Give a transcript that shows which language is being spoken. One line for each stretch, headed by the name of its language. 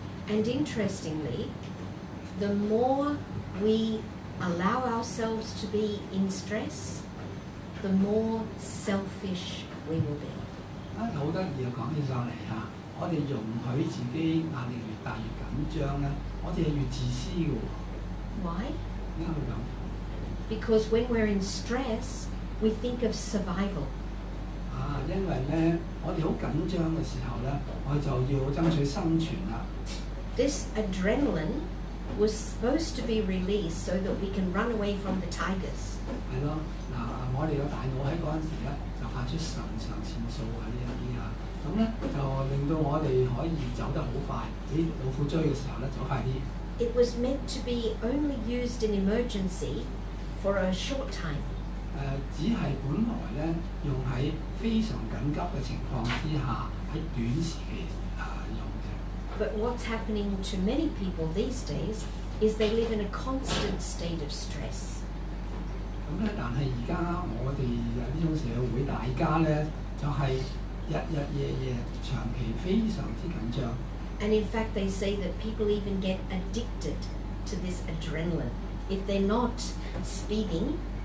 English: And interestingly, the more we allow ourselves to be in stress, the more selfish we will be.
Cantonese: 啊，好得意啊！講起上嚟啊，我哋容許自己壓力越大越緊張咧，我哋係越自私嘅喎。
English: Why?
Cantonese: 點解會咁
English: ？Because when we're in stress, we think of survival.
Cantonese: 因為咧，我哋好緊張嘅時候咧，我就要爭取生存啦。
English: This adrenaline was supposed to be released so that we can run away from the tigers。
Cantonese: 係咯，嗱，我哋嘅大腦喺嗰陣時咧，就發出腎上腺素啊呢一啲啊，咁咧就令到我哋可以走得好快，俾老虎追嘅時候咧走快啲。
English: It was meant to be only used in emergency for a short time。
Cantonese: 只係本來咧用喺非常緊急嘅情況之下，喺短時期用嘅。
English: But what's happening to many people these days is they live in a constant state of stress。
Cantonese: 咁咧，但係而家我哋呢種社會，大家咧就係日日夜夜長期非常之緊張。
English: And in fact, they say that people even get addicted to this adrenaline if they're not speeding.